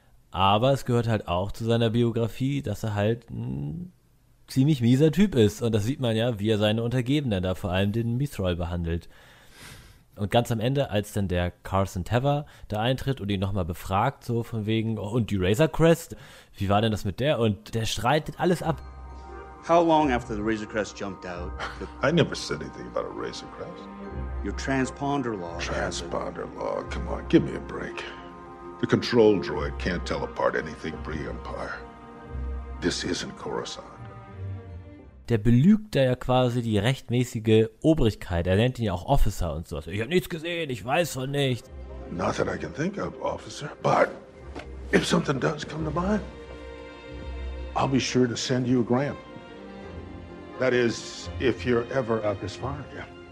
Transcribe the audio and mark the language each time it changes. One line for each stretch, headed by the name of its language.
German: Aber es gehört halt auch zu seiner Biografie, dass er halt ein ziemlich mieser Typ ist. Und das sieht man ja, wie er seine Untergebenen da vor allem den Mithral behandelt. Und ganz am Ende, als dann der Carson Tever da eintritt und ihn nochmal befragt, so von wegen, oh, und die Razor Crest, wie war denn das mit der? Und der streitet alles ab.
English: How long after the Razor Crest jumped out? I never said anything about a Razor Crest. Your transponder log. Transponder log, come on, give me a break. The control droid can't tell apart anything pre-Empire. This isn't Coruscant.
German: Der belügt da ja quasi die rechtmäßige Obrigkeit. Er nennt ihn ja auch Officer und sowas. Ich habe nichts gesehen, ich weiß von nichts.
English: Not that I can think of, Officer. But if something does come to mind, I'll be sure to send you a gram. That is, if you're ever out this far, yeah.